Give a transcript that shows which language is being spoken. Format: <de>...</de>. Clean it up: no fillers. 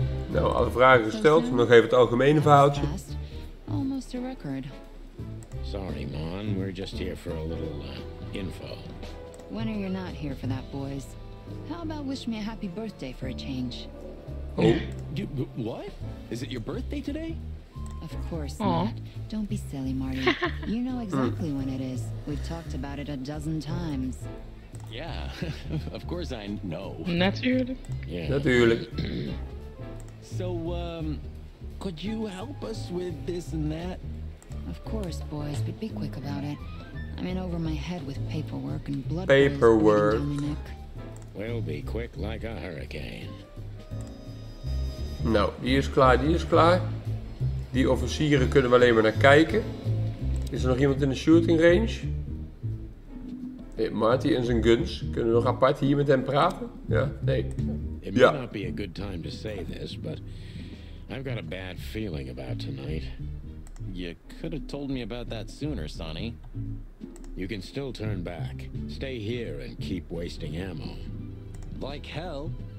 <nl>Nou, alle vragen gesteld, nog even het algemene verhaaltje.</nl> <en>Almost a record. Sorry, Mon, we're just here for a little, info. When are you not here for that, boys? How about wish me a happy birthday for a change? Oh. What? Is it your birthday today? Of course not. Don't be silly, Marty. You know exactly when it is. We've talked about it a dozen times. Yeah, of course I know.</en> <nl>Natuurlijk. Yeah. Natuurlijk.</nl> <en>So, could you help us with this and that? Of course, boys, but be quick about it. I'm in over my head with paperwork and blood. Paperwork. We'll be quick like a hurricane.</en> <nl>Nou, die is klaar, die is klaar. Die officieren kunnen we alleen maar naar kijken. Is er nog iemand in de shooting range? Hey, Marty en zijn guns. Kunnen we nog apart hier met hem praten? Ja, nee.</nl> <en>It may not be a good time to say this, but I've got a bad feeling about tonight. You could have told me about that sooner, Sonny. You can still turn back. Stay here and keep wasting ammo. Like hell.</en>